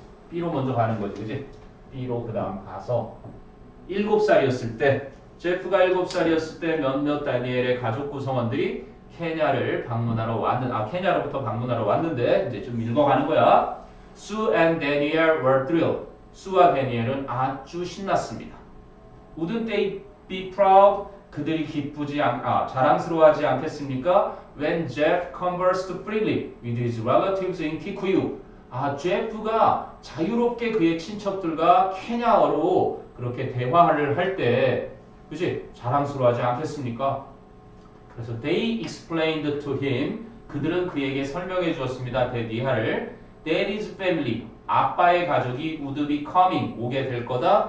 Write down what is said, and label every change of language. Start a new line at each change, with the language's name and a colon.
Korean: B로 먼저 가는 거지, 그지? B로 그 다음 가서 7살이었을 때 제프가 7살이었을 때 몇몇 다니엘의 가족 구성원들이 케냐를 방문하러 왔는데 케냐로부터 방문하러 왔는데 이제 좀 읽어가는 거야.
English: Sue and Daniel were thrilled.
Korean: Sue와 Daniel은 아주 신났습니다.
English: Wouldn't they be proud?
Korean: 그들이 기쁘지 자랑스러워하지 않겠습니까?
English: When Jeff conversed freely with his relatives in Kikuyu.
Korean: 아, 제프가 자유롭게 그의 친척들과 케냐어로 그렇게 대화를 할 때, 그지? 자랑스러워하지 않겠습니까? 그래서
English: they explained to him.
Korean: 그들은 그에게 설명해 주었습니다. 데디하를.
English: Daddy's family.
Korean: 아빠의 가족이
English: would be coming.
Korean: 오게 될 거다.